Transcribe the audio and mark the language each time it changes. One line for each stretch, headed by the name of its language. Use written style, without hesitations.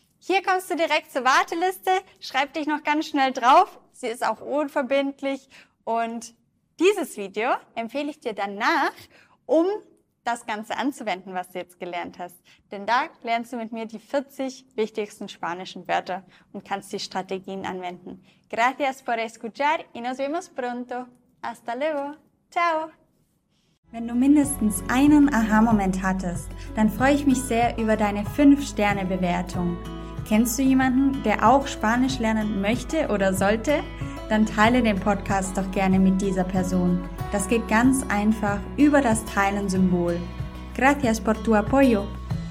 German: Hier kommst du direkt zur Warteliste, schreib dich noch ganz schnell drauf, sie ist auch unverbindlich und dieses Video empfehle ich dir danach, um das Ganze anzuwenden, was du jetzt gelernt hast. Denn da lernst du mit mir die 40 wichtigsten spanischen Wörter und kannst die Strategien anwenden.
Spanish: Gracias por escuchar y nos vemos pronto. Hasta luego. Ciao.
German: Wenn du mindestens einen Aha-Moment hattest, dann freue ich mich sehr über deine 5-Sterne-Bewertung. Kennst du jemanden, der auch Spanisch lernen möchte oder sollte? Dann teile den Podcast doch gerne mit dieser Person. Das geht ganz einfach über das Teilen-Symbol.
Spanish: Gracias por tu apoyo.